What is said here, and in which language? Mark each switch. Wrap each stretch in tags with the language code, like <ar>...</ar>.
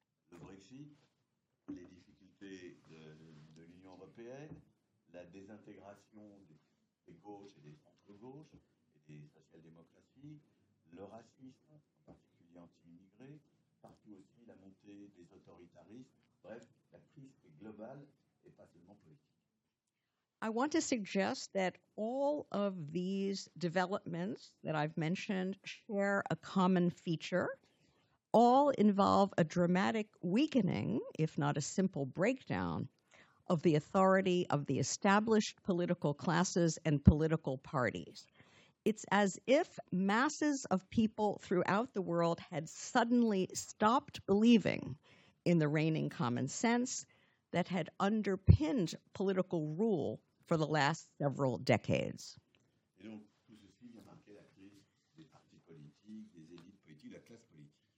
<fr>Le Brexit, les difficultés de l'Union européenne, la désintégration des gauches et des centres-gauches, des social-démocraties, le racisme, en particulier anti-immigré, partout aussi la montée des autoritarismes. Bref, la crise est globale et pas seulement politique.</fr> <en>I want to suggest that all of these developments that I've mentioned share a common feature. All involve a dramatic weakening, if not a simple breakdown, of the authority of the established political classes and political parties. It's as if masses of people throughout the world had suddenly stopped believing in the reigning common sense that had underpinned political rule for the last several decades.</en> <fr>Et donc, tout ceci vient marquer la crise des partis politiques, des élites politiques, de la classe politique.</fr>